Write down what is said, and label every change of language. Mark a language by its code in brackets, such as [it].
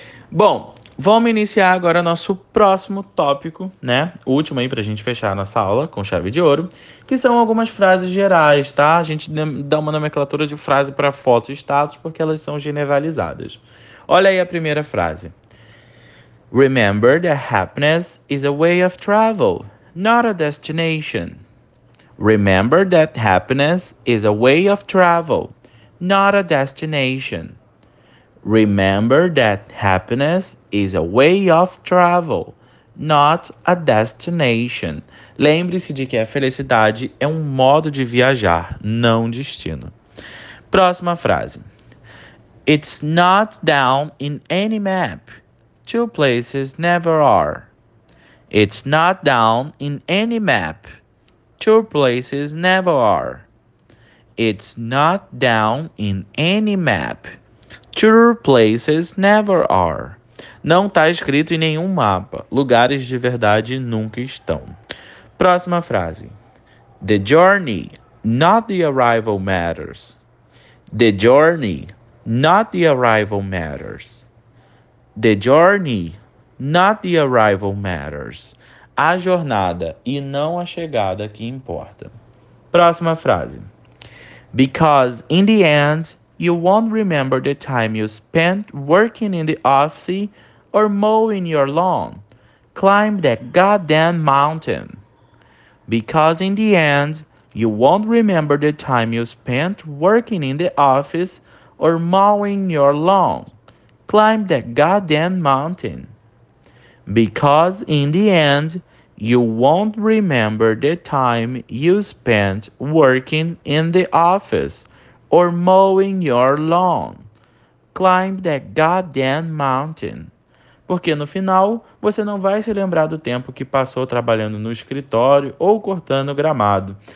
[pt] Bom, vamos iniciar agora nosso próximo tópico, né? O último aí pra gente fechar a nossa aula com chave de ouro, que são algumas frases gerais, tá? A gente dá uma nomenclatura de frase para foto e status, porque elas são generalizadas. Olha aí a primeira frase. [en] Remember that happiness is a way of travel, not a destination. Remember that happiness is a way of travel, not a destination. Remember that happiness is a way of travel, not a destination. [pt] Lembre-se de que a felicidade é um modo de viajar, não destino. Próxima frase. [en] It's not down in any map. Two places never are. It's not down in any map. Two places never are. It's not down in any map. Two places never are. [pt] Não está escrito em nenhum mapa. Lugares de verdade nunca estão. Próxima frase. [en] The journey, not the arrival matters. The journey, not the arrival matters. The journey, not the arrival matters. [pt] A jornada e não a chegada que importa. Próxima frase. [en] Because in the end, you won't remember the time you spent working in the office or mowing your lawn. Climb that goddamn mountain. Because in the end, you won't remember the time you spent working in the office or mowing your lawn. Climb that goddamn mountain. Because in the end, you won't remember the time you spent working in the office or mowing your lawn. Climb that goddamn mountain. [pt] Porque no final você não vai se lembrar do tempo que passou trabalhando no escritório ou cortando gramado.